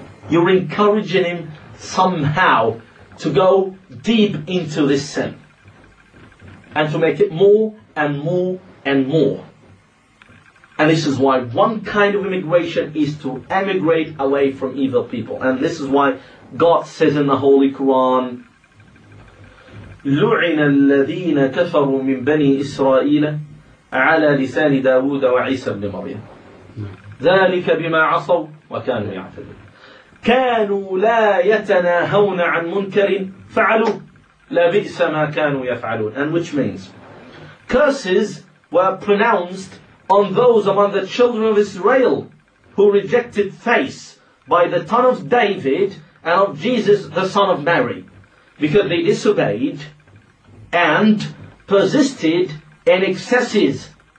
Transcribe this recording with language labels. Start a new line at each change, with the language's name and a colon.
English: You're encouraging him somehow to go deep into this sin and to make it more and more and more. And this is why one kind of immigration is to emigrate away from evil people. And this is why God says in the Holy Quran,
Arabic: لُعِنَ الَّذِينَ كَفَرُوا مِن بَنِي إِسْرَائِيلَ عَلَى لِسَانِ دَاوُودَ وَعِيسَى بْنِ مَرْيَمَ ذَلِكَ بِمَا عَصَوْا وَكَانُوا يَعْتَدُونَ. كانوا لا يتناهون عن منكر فعلوا لا بئس ما كانوا يفعلون.
English: And which means, curses were pronounced on those among the children of Israel who rejected faith by the son of David and of Jesus, the son of Mary, because they disobeyed and persisted in excesses.